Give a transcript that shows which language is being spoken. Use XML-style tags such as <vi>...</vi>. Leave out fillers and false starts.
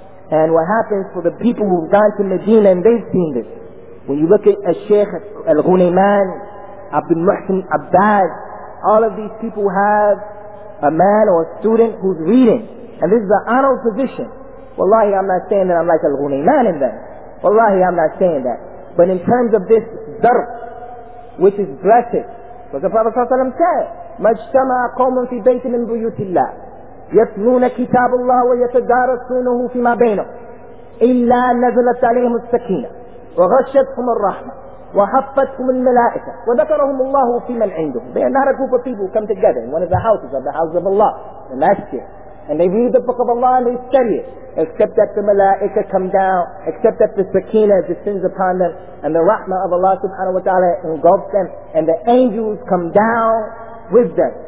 <en>And what happens for the people who've gone to Medina and they've seen this, when you look at Sheikh Al-Ghunayman, Abdul Muhsin Abbas, all of these people have a man or a student who's reading. And this is an honorable position. Wallahi, I'm not saying that I'm like Al-Ghunayman in them. Wallahi, I'm not saying that. But in terms of this darb, which is blessed, what the Prophet said,</en> <ar>مَجْتَمَعَ قَوْمٌ فِي بَيْتٍ مِنْ بُيُوتِ اللَّهِ يَتْلُونَ كِتَابُ اللَّهِ وَيَتَدَارَسُونَهُ فِي مَا بَيْنَهُ إِلَّا نَزَلَتْ عَلَيْهِمُ السَّكِينَةُ وَغَشَّتْهُمُ الرَّحْمَةُ وَحَفَّتْهُمُ الْمَلَائِكَةُ وَذَكَرَهُمُ اللَّهُ فِي مَنْ عِنْدُهُ.</ar> <en>They are not a group of people who come together in one of the houses of the house of Allah, the masjid. And they read the book of Allah and they study it. Except that the malaika come down, except that the sakina descends upon them, and the rahmah of Allah subhanahu wa ta'ala engulfs them, and the angels come down with them.</en>